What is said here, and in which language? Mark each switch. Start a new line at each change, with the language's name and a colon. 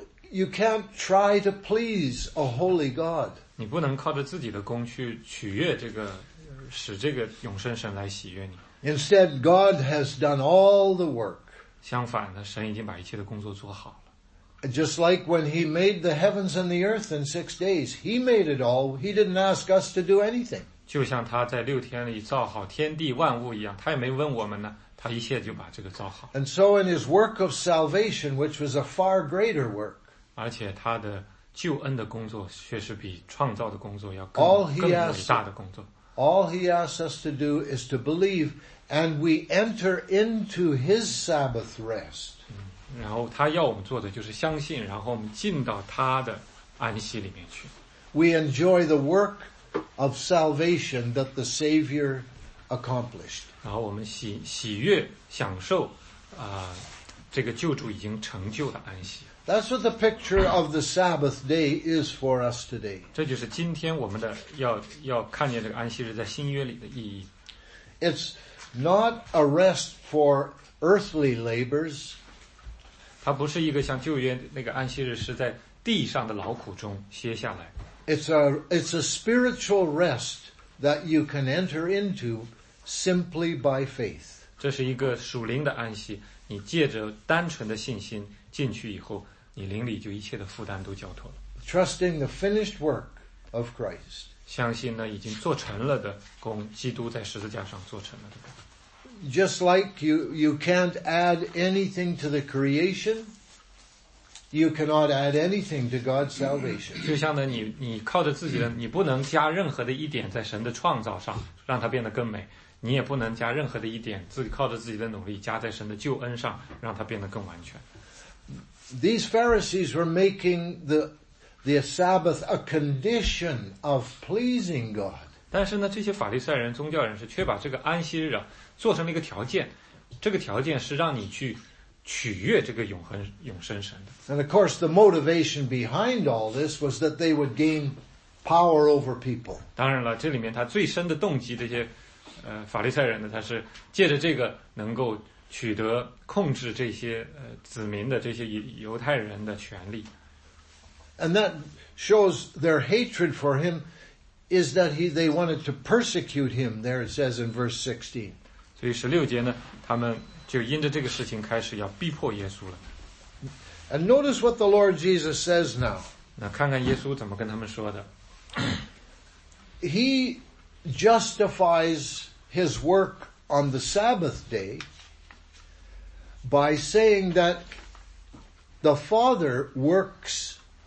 English: You can't try to please a holy God.
Chinese: 你不能靠着自己的功去取悦这个，使这个永生神来喜悦你。
English: Instead, God has done all the work.
Chinese: 相反呢，神已经把一切的工作做好。
English: Just like when he made the heavens and the earth in 6 days, he made it all. He didn't ask us to do anything.
Chinese: 就像他在六天里造好天地万物一样，他也没问我们呢，他一切就把这个造好。
English: And so in his work of salvation, which was a far greater work,
Chinese: 而且他的救恩的工作确实比创造的工作要更伟大的工作。
English: All he asks us to do is to believe, and we enter into his Sabbath rest.
Chinese: 然后他要我们做的就是相信，然后我们进到他的安息里面去。
English: We enjoy the work of salvation that the Savior accomplished.
Chinese: 然后我们喜悦享受这个救主已经成就的安息。
English: That's what the picture of the Sabbath day is for us today.
Chinese: 这就是今天我们的要看见这个安息日在新约里的意义。
English: It's not a rest for earthly labors.
Chinese: 它不是一个像旧约那个安息日是在地上的劳苦中歇下来。
English: It's a spiritual rest that you can enter into simply by faith.
Chinese: 这是一个属灵的安息，你借着单纯的信心进去以后，你灵里就一切的负担都交托了。
English: Trusting the finished work of Christ.
Chinese: 相信呢已经做成了的功，基督在十字架上做成了的功。
English: Just like you can't add anything to the creation, you cannot add anything to God's salvation.
Chinese: 就像呢，你靠着自己的，你不能加任何的一点在神的创造上，让它变得更美。你也不能加任何的一点，自己靠着自己的努力加在神的救恩上，让它变得更完全。
English: These Pharisees were making the Sabbath a condition of pleasing God.
Chinese: 但是呢，这些法利赛人、宗教人士却把这个安息日啊做成了一个条件，这个条件是让你去取悦这个永生神的。
English: And of course, the motivation behind all this was that they would gain power over people.
Chinese: 当然了，这里面他最深的动机，这些法利赛人呢，他是借着这个能够取得控制这些子民的这些犹太人的权利。
English: And that shows their hatred for him. Is that they wanted to persecute him, there it says in verse 16.
Chinese: 所以十六节呢，他们就因着这个事情开始要逼迫耶稣了。
English: And notice what the Lord Jesus says now.
Chinese: 那看看耶稣怎么跟他们说的。
English: He justifies his work on the Sabbath day by saying that the Father works